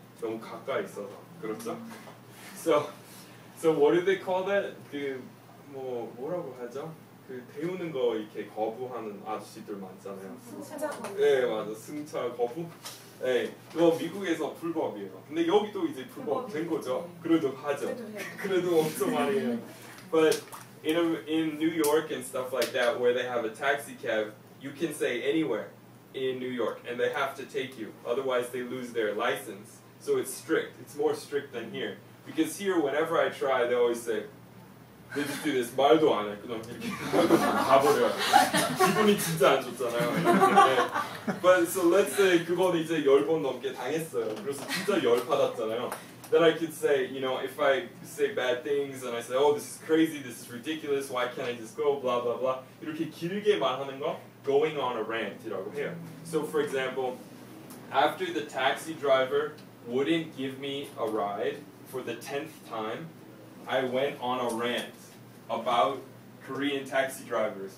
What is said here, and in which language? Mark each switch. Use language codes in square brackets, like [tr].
[ko] 너무 가까이 있어서. 그렇죠? [en] So what do they call that? [ko] 그 뭐 뭐라고 하죠? 그 태우는 거 이렇게 거부하는 아저씨들 많잖아요. 승차 거부. 네, 맞아. 승차 거부. 네, 이거 미국에서 불법이에요. 근데 여기도 이제 불법 된 거죠. 그래도 하죠. 그래도 엄청 많이 해요. [en] But in New York and stuff like that, where they have a taxi cab, you can say anywhere in New York, and they have to take you. Otherwise, they lose their license. So it's strict. It's more strict than here. Because here, whenever I try, they always say, they just do this, [ko] 말도 안 해. 그럼 이렇게 가버려요. 기분이 진짜 안 좋잖아요. [en] But so let's say [ko] 그건 이제 열 번 넘게 당했어요. 그래서 진짜 열 받았잖아요. [en] Then I could say, you know, if I say bad things and I say, oh, this is crazy, this is ridiculous, why can't I just go, blah, blah, blah. [ko] 이렇게 길게 말하는 거, [en] going on a rant [ko] 이라고 해요. [en] So for example, after the taxi driver wouldn't give me a ride for the 10th time, I went on a rant about Korean taxi drivers.